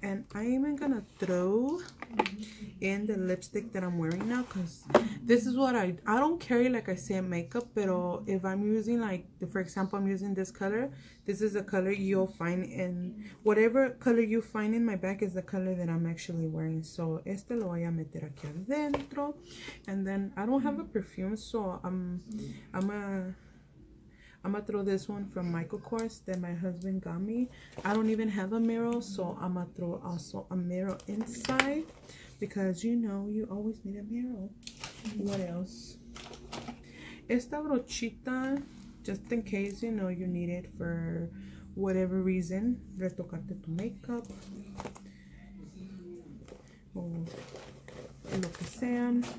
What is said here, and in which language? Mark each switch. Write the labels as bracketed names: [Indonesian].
[English] And I'm even going to throw in the lipstick that I'm wearing now. Because this is what I don't carry, like I say, makeup. Pero if I'm using, like, for example, I'm using this color. This is the color you'll find in whatever color you find in my bag is the color that I'm actually wearing. [Spanish] So, este lo voy a meter aquí adentro. [English] And then, I don't have a perfume. So, I'm gonna throw this one from Michael Kors that my husband got me. I don't even have a mirror, so I'm gonna throw also a mirror inside because you know you always need a mirror. What else? [Spanish] Esta brochita, [English] just in case you know you need it for whatever reason, [Spanish] retocarte tu makeup o lo que sea.